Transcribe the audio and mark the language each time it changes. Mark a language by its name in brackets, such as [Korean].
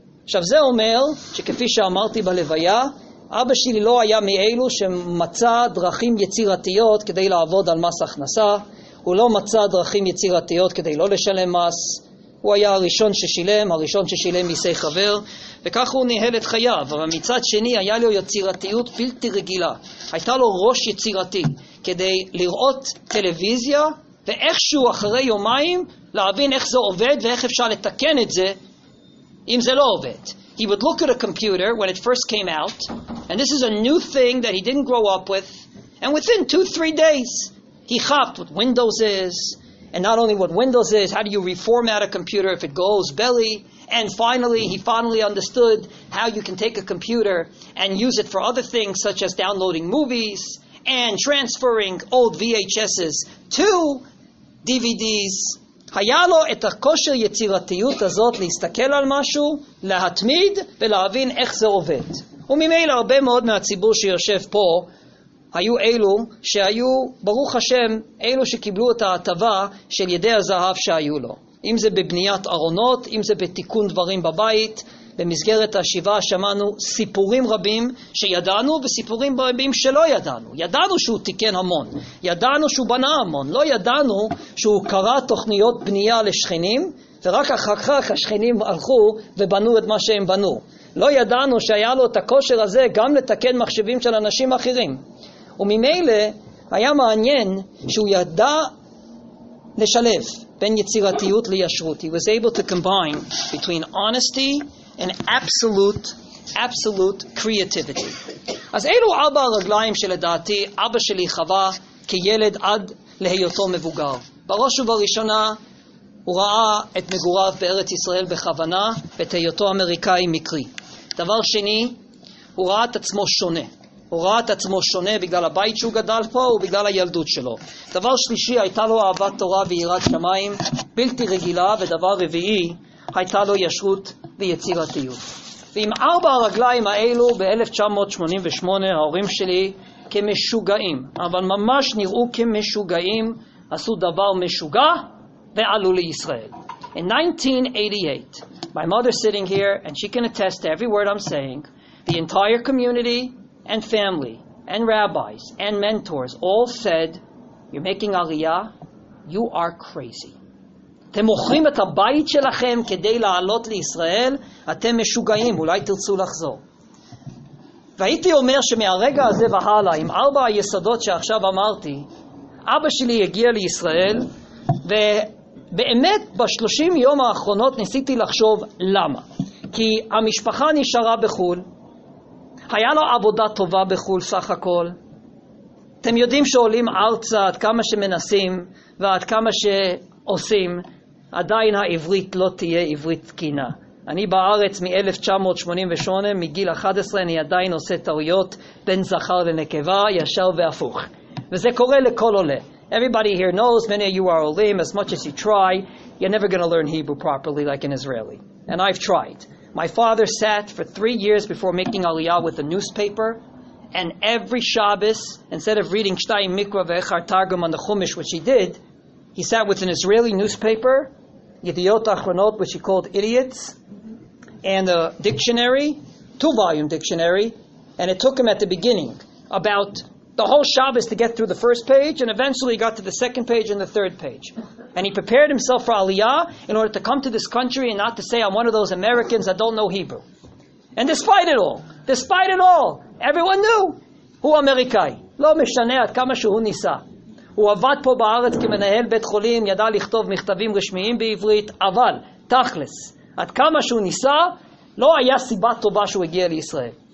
[Hebrew] עכשיו זה אומר שכפי שאמרתי בלוויה, אבא שלי לא היה מאלו שמצא דרכים יצירתיות כדי לעבוד על מס הכנסה, הוא לא מצא דרכים יצירתיות כדי לא לשלם מס, הוא היה הראשון ששילם, הראשון ששילם מיסי חבר, וכך הוא ניהל את חייו. אבל מצד שני, היה לו יצירתיות בלתי רגילה. הייתה לו ראש יצירתי כדי לראות טלוויזיה, ואיכשהו אחרי יומיים להבין איך זה עובד ואיך אפשר לתקן את זה אם זה לא עובד. [English] He would look at a computer when it first came out, and this is a new thing that he didn't grow up with, and within 2-3 days, he hopped what Windows is, and not only what Windows is, how do you reformat a computer if it goes belly? And finally, he finally understood how you can take a computer and use it for other things, such as downloading movies and transferring old VHSs to DVDs. [Hebrew] היה לו את הכושר יצירתיות הזאת להסתכל על משהו, להתמיד ולהבין איך זה עובד. וממילא הרבה מאוד מהציבור שיושב פה, היו אלו שהיו, ברוך השם, אלו שקיבלו את ההטבה של ידי הזהב שהיו לו. אם זה בבניית ארונות, אם זה בתיקון דברים בבית, במסגרת השיבה שמענו סיפורים רבים שידענו וסיפורים רבים שלא ידענו. ידענו שהוא תיקן המון, ידענו שהוא בנה המון, לא ידענו שהוא קרא תוכניות בנייה לשכנים, ורק אחר כך השכנים הלכו ובנו את מה שהם בנו. לא ידענו שהיה לו את הכושר הזה גם לתקן מחשבים של אנשים אחרים. וממילא היה מעניין שהוא ידע לשלב בין יצירתיות לישרות. [English] He was able to combine between honesty and absolute creativity. [Hebrew] אז אלו ארבע הרגליים שלדעתי אבא שלי חווה כילד עד להיותו מבוגר. בראש ובראשונה הוא ראה את מגוריו בארץ ישראל בכוונה ואת היותו אמריקאי מקרי. דבר שני, הוא ראה את עצמו שונה. הוא ראה את עצמו שונה בגלל הבית שהוא גדל פה ובגלל הילדות שלו. דבר שלישי, הייתה לו אהבת תורה ויראת שמיים בלתי רגילה, ודבר רביעי, הייתה לו ישרות ויצירתיות. ועם ארבע הרגליים האלו, ב-1988, ההורים שלי כמשוגעים, אבל ממש נראו כמשוגעים, עשו דבר משוגע ועלו לישראל. [English] In 1988, my mother sitting here, and she can attest to every word I'm saying, the entire community and family and rabbis and mentors all said, you're making aliyah, you are crazy. [Hebrew] אתם מוכרים את הבית שלכם כדי לעלות לישראל, אתם משוגעים, אולי תרצו לחזור. והייתי אומר שמהרגע הזה והלאה, עם ארבע היסודות שעכשיו אמרתי, אבא שלי הגיע לישראל, ובאמת ב-30 יום האחרונות ניסיתי לחשוב למה. כי המשפחה נשארה בחול, היה לו עבודה טובה בחול סך הכל. אתם יודעים שעולים ארצה עד כמה שמנסים ועד כמה שעושים, עדיין העברית לא תהיה עברית תקינה. אני בארץ מ-1988, מגיל 11, אני עדיין עושה טעויות בין זכר לנקבה, ישר והפוך. וזה קורה לכל עולה. [English] Everybody here knows, many of you are olim, as much as you try, you're never going to learn Hebrew properly like an Israeli. And I've tried. My father sat for 3 years before making Aliyah with a newspaper, and every Shabbos, instead of reading Shtayim Mikra ve'echar Targum on the Chumash, which he did, he sat with an Israeli newspaper, Yediot Achronot, which he called Idiots, and a dictionary, two-volume dictionary, and it took him at the beginning about the whole Shabbos to get through the first page, and eventually he got to the second page and the third page. And he prepared himself for Aliyah in order to come to this country and not to say, I'm one of those Americans that don't know Hebrew. And despite it all, everyone knew, [Hebrew] הוא אמריקאי, לא משנה עד כמה שהוא ניסה. הוא עבד פה בארץ כמנהל בית חולים, ידע לכתוב מכתבים רשמיים בעברית, אבל, תכלס, עד כמה שהוא ניסה, לא היה סיבה טובה שהוא הגיע לישראל.